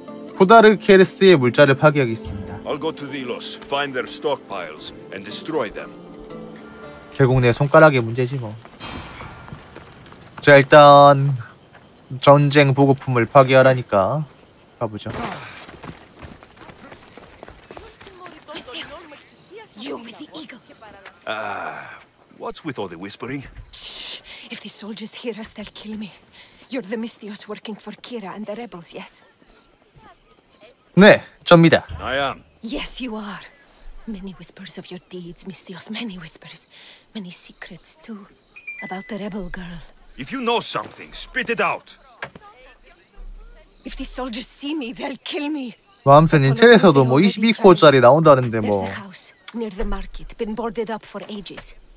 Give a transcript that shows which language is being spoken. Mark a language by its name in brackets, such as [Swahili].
[Korean] 포다르케르스의 물자를 파괴하겠습니다. [English] I'll go to Delos, find their stockpiles, and destroy them. [Korean] 결국 내 손가락의 문제지 뭐. 자, 일단 전쟁 보급품을 파괴하라니까. 가보죠. [English] You with the eagle. What's with all the whispering? If the soldiers hear us, they'll kill me. You're the Mystios working for Kira and the rebels, yes? [Korean] 네, 접니다. [English] I am. Yes, you are. Many whispers of your deeds, Mystios. Many whispers. Many secrets too about the rebel girl. If you know something, spit it out. If the soldiers see me, they'll kill me. [Korean] 뭐 아무튼 인텔에서도 뭐 22코짜리 나온다는데 뭐. [English] There's a house near the market, been boarded up for ages.